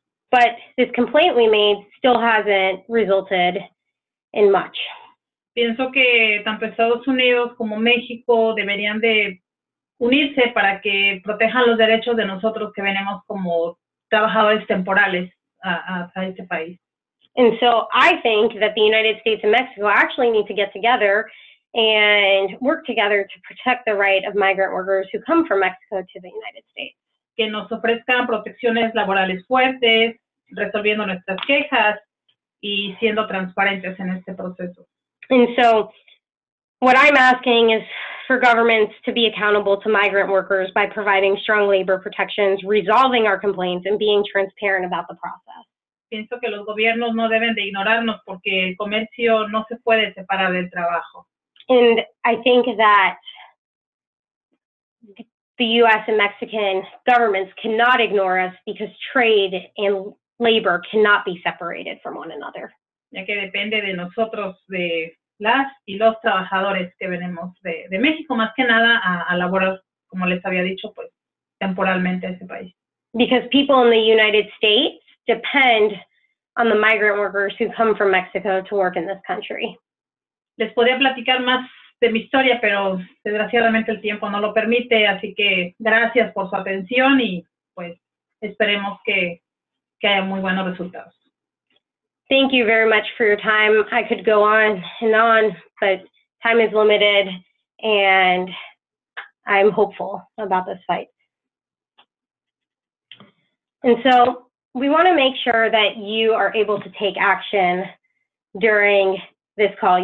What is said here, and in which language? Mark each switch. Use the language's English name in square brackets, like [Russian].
[English] But this complaint we made still hasn't resulted in much. [Spanish] Pienso que tanto Estados Unidos como México deberían de unirse para que protejan los derechos de nosotros que venimos como trabajadores temporales a este país. [English] And so I think that the United States and Mexico actually need to get together and work together to protect the right of migrant workers who come from Mexico to the United States. [Spanish] Que nos ofrezcan protecciones laborales fuertes, resolviendo nuestras quejas y siendo transparentes en este proceso. [English] And so what I'm asking is for governments to be accountable to migrant workers by providing strong labor protections, resolving our complaints, and being transparent about the process. [Spanish] Pienso que los gobiernos no deben de ignorarnos porque el comercio no se puede separar del trabajo. [English] And I think that the U.S. and Mexican governments cannot ignore us because trade and labor cannot be separated from one another. [Spanish] Ya que depende de nosotros, de las y los trabajadores que venimos de México, más que nada a laborar, como les había dicho, pues temporalmente a ese país. [English] Because people in the United States depend on the migrant workers who come from Mexico to work in this country. [Spanish] Les podría platicar más de mi historia, pero desgraciadamente el tiempo no lo permite, así que gracias por su atención y pues esperemos que haya muy buenos resultados. [English] Thank you very much for your time. I could go on and on, but time is limited and I'm hopeful about this fight. And so we want to make sure that you are able to take action during this call.